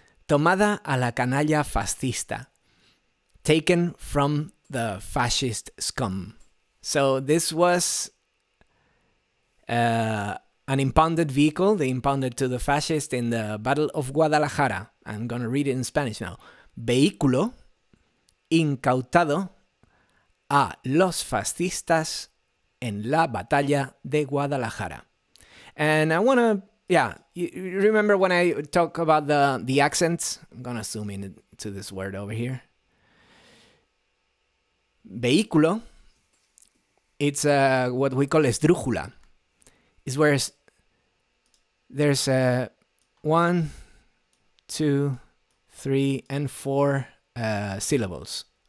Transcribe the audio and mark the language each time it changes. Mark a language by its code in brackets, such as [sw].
[es] Tomada a la canalla fascista. [en] Taken from the fascist scum. So this was an impounded vehicle. They impounded to the fascist in the Battle of Guadalajara. I'm gonna read it in Spanish now. [es] Vehículo incautado a los fascistas en la Batalla de Guadalajara. [en] And I wanna, yeah, you remember when I talk about the accents? I'm gonna zoom in to this word over here. Vehículo. It's what we call esdrújula. Is where there's one, two, three, and four syllables.